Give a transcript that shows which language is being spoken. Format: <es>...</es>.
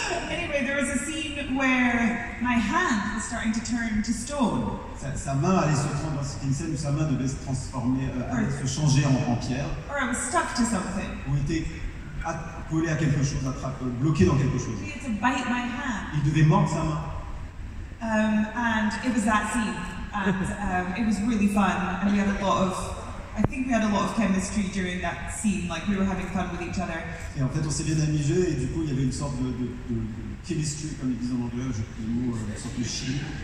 <en>Anyway, there was a scene where my hand was starting to turn to stone.</en> <fr>Sa main allait se transformer. C'était une scène où sa main devait se transformer, allait se changer en pierre.</fr> <en>Or I was stuck to something.</en> <fr>Ou était collé à quelque chose, bloqué dans quelque chose.</fr> <en>He had to bite my hand.</en> <fr>Il devait mordre sa main.</fr> <en>And it was that scene. And it was really fun, and I think we had a lot of chemistry during that scene, like we were having fun with each other.</en> <fr>Et en fait, on s'est bien amusé, et du coup, il y avait une sorte de chemistry, comme ils disent en anglais, une sorte de chimie.</fr>